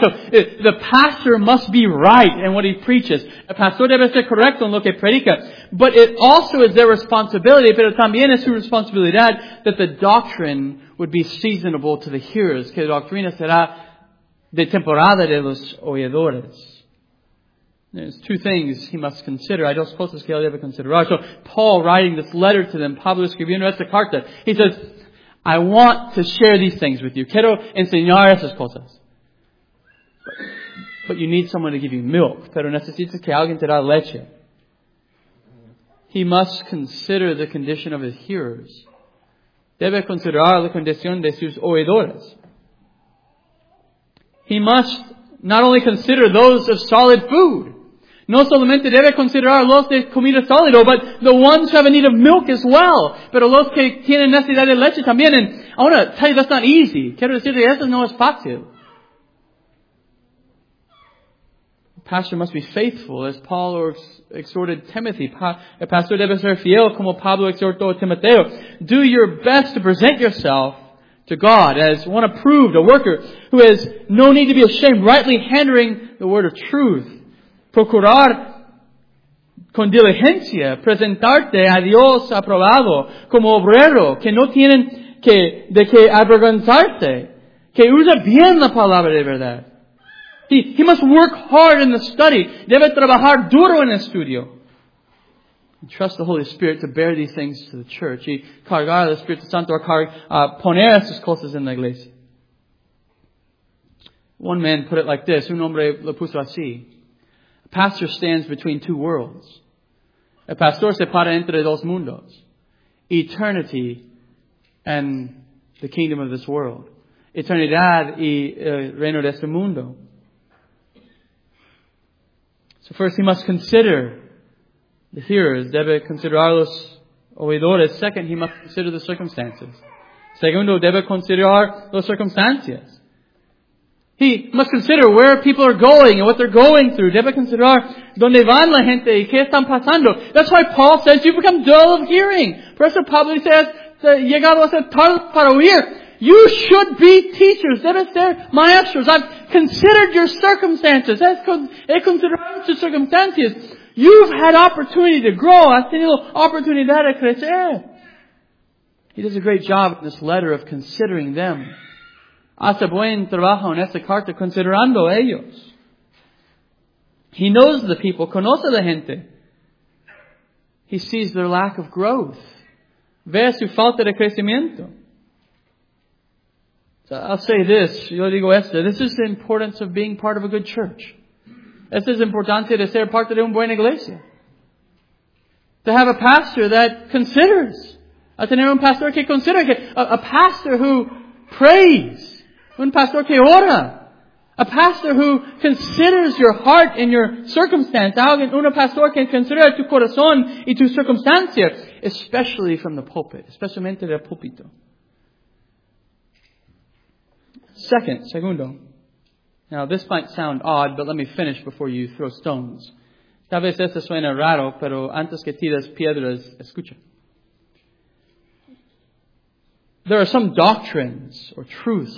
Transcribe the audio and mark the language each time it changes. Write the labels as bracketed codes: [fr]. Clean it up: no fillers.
[en] So, the pastor must be right in what he preaches. [es] El pastor debe ser correcto en lo que predica. [en] But it also is their responsibility, [es] pero también es su responsabilidad, [en] that the doctrine would be seasonable to the hearers. [es] Que la doctrina será de temporada de los oyedores. [en] There's two things he must consider. [es] Hay dos cosas que él debe considerar. [en] So, Paul writing this letter to them, [es] Pablo escribiendo esta carta, [en] he says, I want to share these things with you. [es] Quiero enseñar esas cosas. [en] But you need someone to give you milk. [es] Pero necesitas que alguien te da leche. [en] He must consider the condition of his hearers. [es] debe considerar la condición de sus oidores. [en] He must not only consider those of solid food. [es] No solamente debe considerar los de comida sólida, [en] but the ones who have a need of milk as well. [es] Pero los que tienen necesidad de leche también. [en] And I want to tell you, that's not easy. [es] Quiero decirte, eso no es fácil. [en] Pastor must be faithful, as Paul exhorted Timothy. [es] El pastor debe ser fiel, como Pablo exhortó a Timoteo. [en] Do your best to present yourself to God as one approved, a worker who has no need to be ashamed, rightly handling the word of truth. [es] Procurar con diligencia presentarte a Dios aprobado como obrero, que no tienen que de que avergonzarte, que usa bien la palabra de verdad. [en] He must work hard in the study. [es] Debe trabajar duro en el estudio. [en] Trust the Holy Spirit to bear these things to the church. [es] Y cargar al Espíritu Santo a poner esas cosas en la iglesia. [en] One man put it like this. [es] Un hombre lo puso así. [en] A pastor stands between two worlds. [es] El pastor se para entre dos mundos. [en] Eternity and the kingdom of this world. [es] Eternidad y el reino de este mundo. [en] So first, he must consider the hearers. [es] Debe considerar los oidores. [en] Second, he must consider the circumstances. [es] Segundo, debe considerar los circunstancias. [en] He must consider where people are going and what they're going through. [es] Debe considerar dónde van la gente y qué están pasando. [en] That's why Paul says you become dull of hearing. Professor Pablo says [es] llegado a ser tardo para oír. [en] You should be teachers. [es] Debe ser maestros. [en] I've considered your circumstances. [es] He considerado tus circunstancias. [en] You've had opportunity to grow. [es] Has tenido oportunidad de crecer. [en] He does a great job in this letter of considering them. [es] Hace buen trabajo en esta carta considerando ellos. [en] He knows the people. [es] Conoce la gente. [en] He sees their lack of growth. [es] Ve su falta de crecimiento. [en] I'll say this, [es] yo digo esto, [en] this is the importance of being part of a good church. [es] Esto es importante de ser parte de una buena iglesia. [en] To have a pastor that considers. [es] A tener un pastor que considera. [en] A pastor who prays. [es] Un pastor que ora. [en] A pastor who considers your heart and your circumstance. [es] Alguien, un pastor que considera tu corazón y tu circunstancia. [en] Especially from the pulpit. [es] Especialmente del púlpito. [en] Segundo. Now, this might sound odd, but let me finish before you throw stones. [es] Tal vez esto suena raro, pero antes que tires piedras, escucha. [en] There are some doctrines or truths.